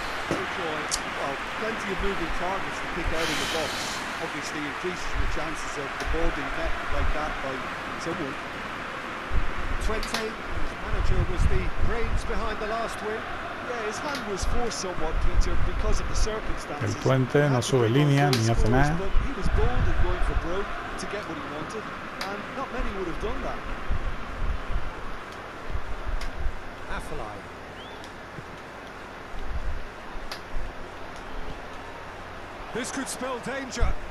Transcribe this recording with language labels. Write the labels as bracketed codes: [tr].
[en] Well, plenty of moving targets to pick out in the box. Obviously increases the chances of the ball being met like that by someone. 20, his manager was the brains behind the last win. Yeah, his hand was forced somewhat, Peter, because of the circumstances. [es] El puente no sube línea ni hace nada. [en] He was bold and going for broke to get what he wanted, and not many would have done that. This could spell danger.